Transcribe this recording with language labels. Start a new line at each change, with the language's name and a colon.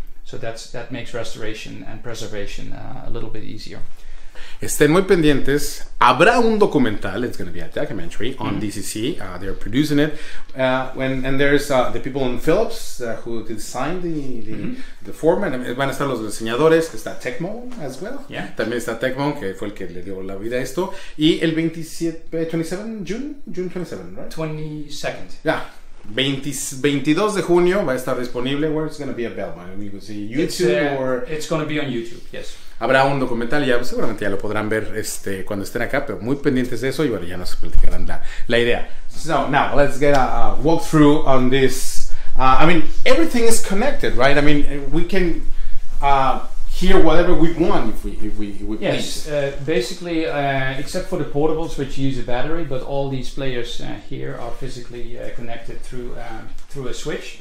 English: So that makes restoration and preservation a little bit easier.
Spanish: Estén muy pendientes. Habrá un documental.
English: It's going to be a documentary on DCC. They're producing it. And there's the people in Philips who designed the format.
Spanish: Van a estar los diseñadores. Está Tecmo
English: as well. Yeah.
Spanish: También está Tecmo, que fue el que le dio la vida a esto. Y el
English: 22nd. Yeah.
Spanish: 22 de junio va a estar disponible.
English: Where it's going to be available. You can see YouTube or... It's going to be on YouTube, yes.
Spanish: Habrá un documental, ya seguramente ya lo podrán ver cuando estén acá, pero muy pendientes de eso, y bueno, ya nos platicarán la idea.
English: So, now, let's get a walkthrough on this. I mean, everything is connected, right? I mean, we can hear whatever we want if we yes, please. Basically, except for the portables, which use a battery, but all these players here are physically connected through a switch.